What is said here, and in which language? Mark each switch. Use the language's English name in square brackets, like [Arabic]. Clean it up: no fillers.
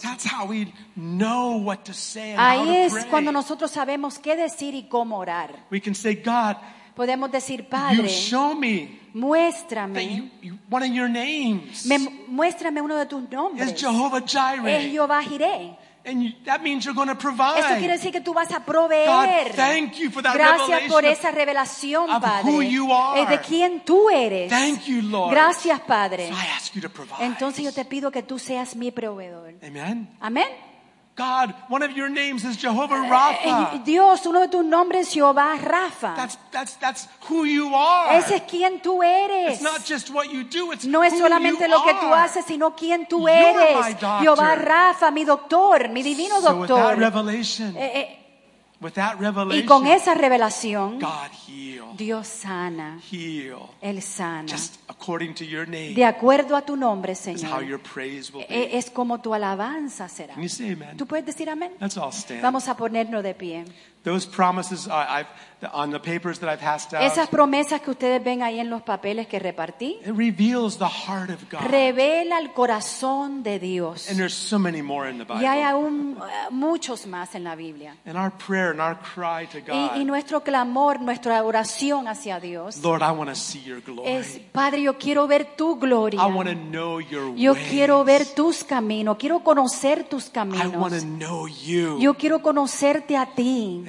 [English] that's how we know what to say and [Spanish] ahí [English] how to [Spanish] es [English] pray. [Spanish] Cuando nosotros sabemos qué decir y cómo orar. [English] We can say, God, [Spanish] podemos decir, Padre, [English] you show me. [Spanish] Muéstrame. [English] One of your names. [Spanish] Muéstrame uno de tus nombres. [English] Is Jehovah Jireh. [Spanish] Es Jehová Jireh. [English] And that means you're going to provide. [Spanish] Esto quiere decir que tú vas a proveer. [English] God, thank you for that. [Spanish] Gracias [English] revelation [Spanish] por esa revelación, [English] of [Spanish] Padre, [English] who you are. [Spanish] De quién tú eres. [English] Thank you, Lord. [Spanish] Gracias, Padre. [English] So I ask you to provide. [Spanish] Entonces yo te pido que tú seas mi proveedor. [English] Amen. [Spanish] Amen. [English] God, one of your names is Jehovah Rapha. [Spanish] Dios, uno de tus nombres es Jehová Rapha. [English] That's who you are. [Spanish] Ese es quien tú eres. [English] It's not just what you do, it's [Spanish] no es solamente [English] who you [Spanish] lo que tú haces, sino quien tú [English] you're [Spanish] eres. [English] My doctor. [Spanish] Jehová Rapha, mi doctor, mi divino doctor. [English] So with that revelation, with that revelation, [Spanish] y con esa revelación, [English] God heal. [Spanish] Dios sana. [English] Heal. [Spanish] Él sana. [English] Just according to your name. [Spanish] De acuerdo a tu nombre, Señor. [English] Is how your praise will be. [Spanish] Es como tu alabanza será. [English] Can you say amen? [Spanish] ¿Tú puedes decir amén? [English] Let's all stand. [Spanish] Vamos a ponernos de pie. [English] Those promises on the papers that I've passed out. [Spanish] Esas promesas que ustedes ven ahí en los papeles que repartí. [English] It reveals the heart of God. [Spanish] Revela el corazón de Dios. [English] And there's so many more in the Bible. [Spanish] Y hay aún muchos más en la Biblia. [English] And our prayer and our cry to God. [Spanish] Y nuestro clamor, nuestra oración hacia Dios. [English] Lord, I want to see your glory. [Spanish] Es Padre, yo quiero ver tu gloria. [English] I want to know your ways. [Spanish] Yo quiero ver tus caminos. Quiero conocer tus caminos. [English] I want to know you. [Spanish] Yo quiero conocerte a ti.